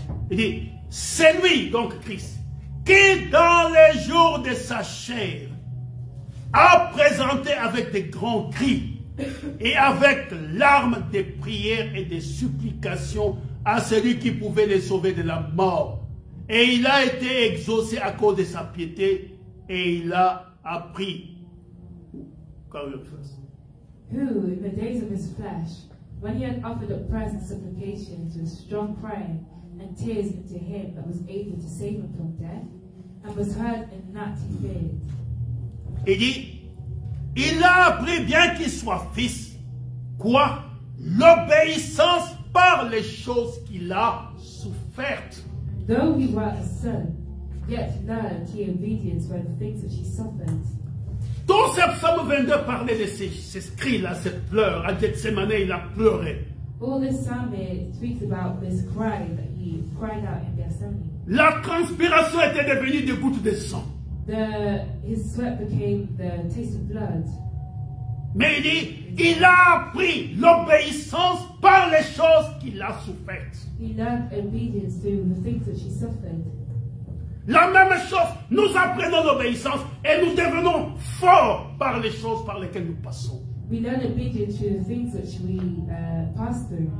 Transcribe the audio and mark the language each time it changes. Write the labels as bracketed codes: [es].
[fr] Il dit, c'est lui, donc Christ, qui dans les jours de sa chair a présenté avec des grands cris et avec larmes des prières et des supplications à celui qui pouvait les sauver de la mort. Et il a été exaucé à cause de sa piété et il a appris. [en] Who, in the days of his flesh, when he had offered up prayers and supplications with strong crying and tears unto him that was able to save him from death, and was heard in that he feared. [fr] Il dit, il a appris bien qu'il soit fils, quoi? L'obéissance par les choses qu'il a souffertes. [en] Though he were a son, yet learned he obedience by the things that he suffered. [fr] Tout ce psaume 22 parlait de ces cris-là, ces pleurs. À Gethsemane, il a pleuré. [en] All this psalm speaks about this cry that he cried out in Gethsemane. [fr] La transpiration était devenue des gouttes de sang. [en] His sweat became the taste of blood. [fr] Mais il dit, il a appris l'obéissance par les choses qu'il a souffertes. Il a [en] obedience to the things that he suffered. [fr] La même chose, nous apprenons l'obéissance et nous devenons forts par les choses par lesquelles nous passons. [en] We learn obedience to the things that we pass through.